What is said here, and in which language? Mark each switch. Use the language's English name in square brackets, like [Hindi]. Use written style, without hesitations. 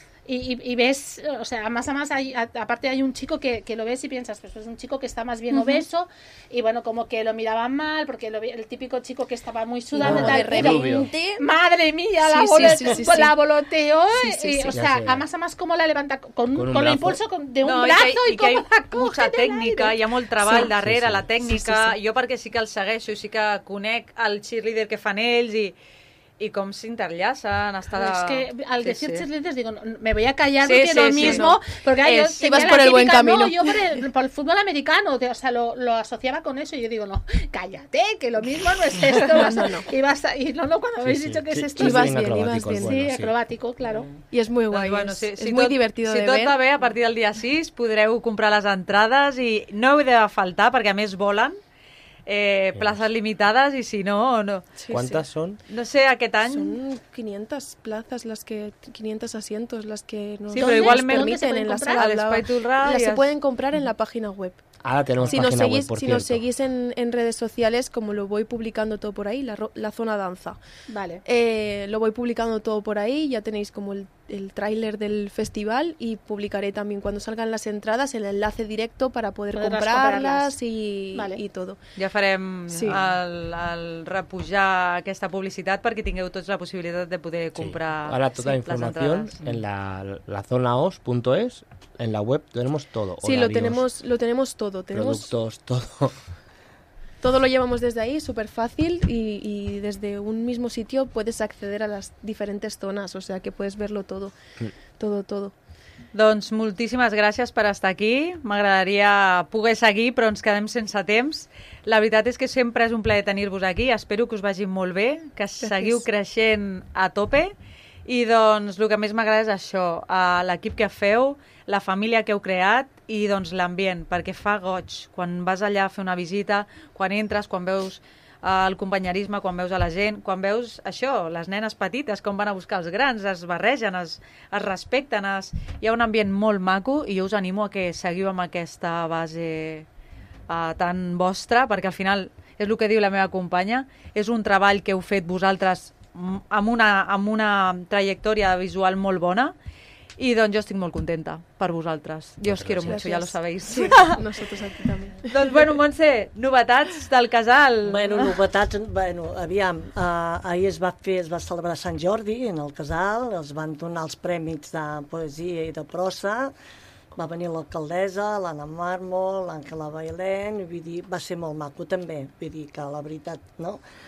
[Spanish] Y ves, o sea, más aparte hay un chico que lo ves y piensas, pues es un chico que está más bien obeso, y bueno, como que lo miraban mal, porque el típico chico que estaba muy sudando, tal, pero madre mía, la voloteó, o sea, más como la levanta con el impulso de un brazo y como la coge. [Catalan] Mucha tècnica, hi ha molt treball darrere, la tècnica, jo perquè sí que el segueixo, sí que conec el cheerleader que fan ells [Spanish] y cómo se interlazan hasta... Es que al decir cheerleaders digo, me voy a callar porque lo mismo, porque yo ibas por el buen camino. No, yo por el fútbol americano, o sea, lo asociaba con eso y yo digo, no, cállate, que lo mismo no es esto. Ibas bien. Sí, acrobático, claro. Y es muy guay, es muy divertido de ver. [Catalan] Si tot va bé, a partir del dia 6 podreu comprar les entrades i no heu de faltar perquè a més volen. [Spanish] Places limitadas y si no, no. Sí, ¿cuántas son? No sé, ¿a qué tan? Son 500 plazas, 500 asientos las que nos sí, pero igual me permiten en la sala. Se pueden comprar en la página web. Ahora tenemos página web, por cierto. Si nos seguís en redes sociales, como lo voy publicando todo por ahí, la zona danza. Vale. Lo voy publicando todo por ahí, ya tenéis como el tráiler del festival y publicaré también cuando salgan las entradas el enlace directo para poder comprarlas y todo. [Catalan] Ja farem el repujar aquesta publicitat perquè tingueu tots la possibilitat de poder comprar les entrades. Ara tota la informació en la zonaos.es, en la web, [Spanish] tenemos todo. Sí, lo tenemos todo. Productos, todo. Todo lo llevamos desde ahí, súper fácil, y desde un mismo sitio puedes acceder a las diferentes zonas, o sea que puedes verlo todo, todo, todo. [Catalan] Doncs moltíssimes gràcies per estar aquí. M'agradaria poder seguir, però ens quedem sense temps. La veritat és que sempre és un plaer tenir-vos aquí. Espero que us vagi molt bé, que seguiu creixent a tope. I doncs el que més m'agrada és això, l'equip que feu, la família que heu creat, i doncs l'ambient, perquè fa goig quan vas allà a fer una visita, quan entres, quan veus el companyerisme quan veus a la gent, quan veus això, les nenes petites, com van a buscar els grans, es barregen, es respecten, hi ha un ambient molt maco i jo us animo a que seguiu amb aquesta base tan vostra, perquè al final, és el que diu la meva companya, és un treball que heu fet vosaltres amb una trajectòria visual molt bona. I doncs jo estic molt contenta per vosaltres. Jo us [Spanish] quiero mucho, ja lo sabéis. Sí, nosotros aquí también. [Catalan] Doncs bueno, Montse, novetats del casal. Bueno, novetats, bueno, aviam, ahir es va celebrar Sant Jordi en el casal, els van donar els premis de poesia i de prosa, va venir l'alcaldessa, l'Anna Mármol, l'Àngela Bailén, vull dir, va ser molt maco també, vull dir que la veritat, no?